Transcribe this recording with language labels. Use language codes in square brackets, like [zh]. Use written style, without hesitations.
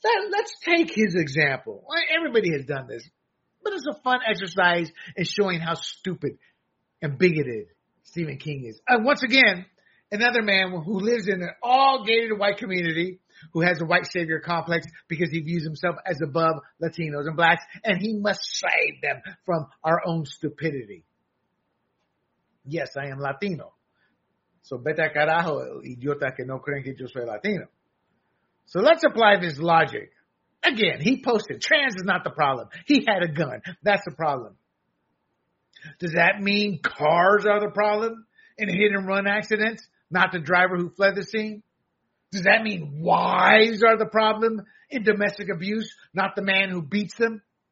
[en] Let's take his example. Everybody has done this. But it's a fun exercise in showing how stupid and bigoted Stephen King is. Once again, another man who lives in an all-gated white community who has a white savior complex because he views himself as above Latinos and blacks, and he must save them from our own stupidity. Yes, I am Latino. [es] So vete a carajo, idiota que no creen que yo soy Latino. [en] So let's apply this logic. Again, he posted, trans is not the problem. He had a gun. That's the problem. Does that mean cars are the problem in a hit-and-run accident, not the driver who fled the scene? Does that mean wives are the problem in domestic abuse, not the man who beats them?